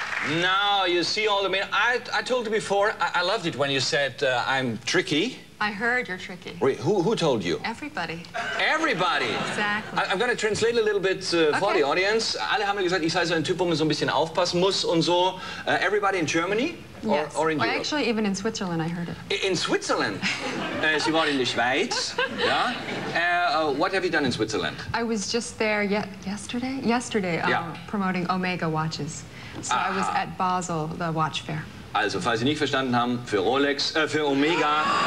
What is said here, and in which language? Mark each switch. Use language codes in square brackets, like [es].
[en] No, you see, Alderman, I told you before, I loved it when you said I'm tricky. I heard you're tricky. Wait, who told you? Everybody. Everybody? Exactly. I'm going to translate a little bit for the audience. [de] Alle haben mir gesagt, ich sei so ein Typ, wo man so ein bisschen aufpassen muss und so. [en] Everybody in Germany? Or in Europe? Actually, even in Switzerland, I heard it. In Switzerland? [de] Sie waren in der Schweiz. [en] Yeah. What have you done in Switzerland? I was just there yesterday? Yesterday, promoting Omega watches. So I was at Basel, the watch fair. [de] Also, falls Sie nicht verstanden haben, für Rolex, für Omega.